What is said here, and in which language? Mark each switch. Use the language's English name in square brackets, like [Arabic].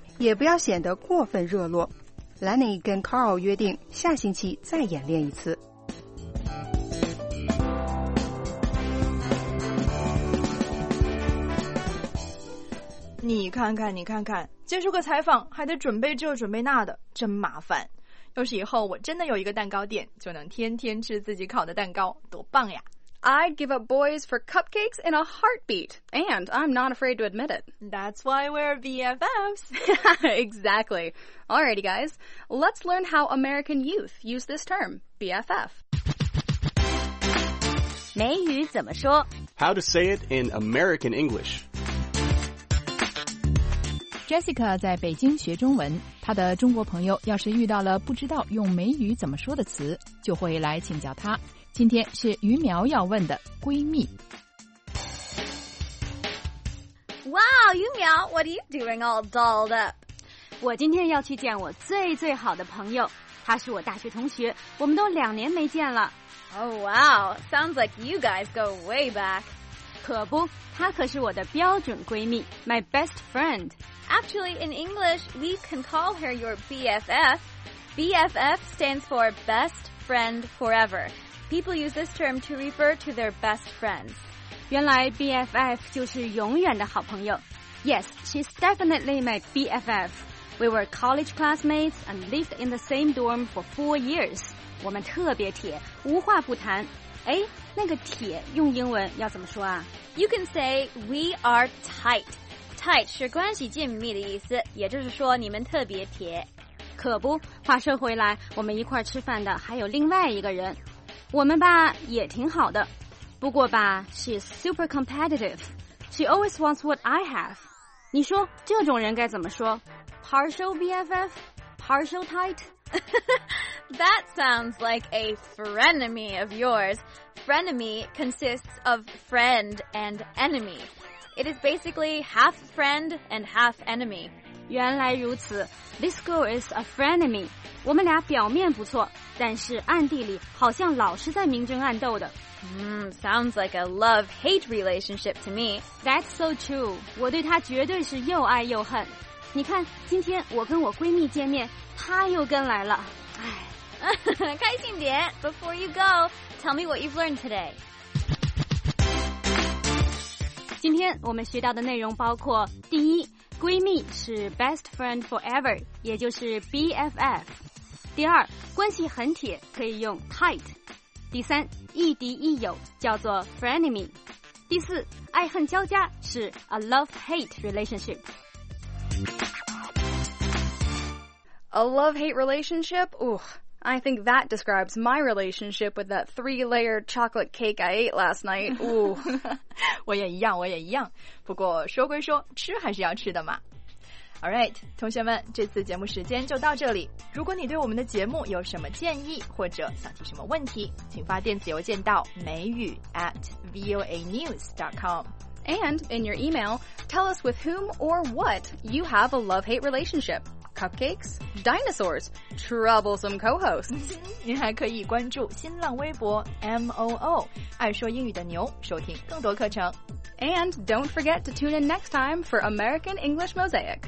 [Chinese] 也不要显得过分热络。Lenny 跟 Carl 约定下星期再演练一次。你看看你看看，接受个采访还得准备这准备那的，真麻烦。要是以后我真的有一个蛋糕店，就能天天吃自己烤的蛋糕，多棒呀。 [English] I'd give up boys for cupcakes in a heartbeat, and I'm not afraid to admit it. That's why we're BFFs. Exactly. Alrighty guys, let's learn how American youth use this term, BFF. [Chinese] 美语怎么说？ [English] How to say it in American English. [Chinese] Jessica 在北京学中文，她的中国朋友要是遇到了不知道用美语怎么说的词，就会来请教她。今天是于苗要问的闺蜜。 [English] Wow, 于苗 what are you doing all dolled up? [Chinese] 我今天要去见我最最好的朋友，她是我大学同学，我们都两年没见了。 [English] Oh wow, sounds like you guys go way back. [Chinese] 可不，她可是我的标准闺蜜 ， [English] my best friend. Actually, in English, we can call her your BFF. BFF stands for Best Friend Forever. People use this term to refer to their best friends. [Chinese] 原来 BFF 就是永远的好朋友。 [English] Yes, she's definitely my BFF. We were college classmates and lived in the same dorm for 4 years. [Chinese] 我们特别铁，无话不谈。哎，那个铁用英文要怎么说啊？ [English] You can say we are tight. [Chinese] Tight 是关系紧密的意思，也就是说你们特别铁。可不，话说回来，我们一块吃饭的还有另外一个人，我们吧也挺好的。不过吧 [English] ，she's super competitive. She always wants what I have. [Chinese] 你说这种人该怎么说 ？ [English] Partial BFF, partial tight. That sounds like a frenemy of yours. Frenemy consists of friend and enemy. It is basically half friend and half enemy. [Chinese] 原来如此 [English] This girl is a frenemy. [Chinese] 我们俩表面不错，但是暗地里好像老是在明争暗斗的。 [English] Sounds like a love-hate relationship to me. That's so true. [Chinese] 我对她绝对是又爱又恨。你看，今天我跟我闺蜜见面，她又跟来了。开心点。 [English] Before you go, tell me what you've learned today. [Chinese] 今天我们学到的内容包括第一，闺蜜是 [English] best friend forever， [Chinese] 也就是 BFF。第二，关系很铁可以用 tight。第三，亦敌亦友叫做 frenemy。第四，爱恨交加是 [English] a love-hate relationship。 A love-hate relationship? Ooh, I think that describes my relationship with that three-layered chocolate cake I ate last night. Ooh. [Chinese] 我也一样，我也一样。不过说归说，吃还是要吃的嘛。 [English] All right, [Chinese] 同学们，这次节目时间就到这里。如果你对我们的节目有什么建议或者想提什么问题，请发电子邮件到美语@voanews.com。 [English] And in your email, tell us with whom or what you have a love-hate relationship. Cupcakes? Dinosaurs? Troublesome co-hosts? [Chinese] 您还可以关注新浪微博 MOO, 爱说英语的牛，收听更多课程。 [English] And don't forget to tune in next time for American English Mosaic.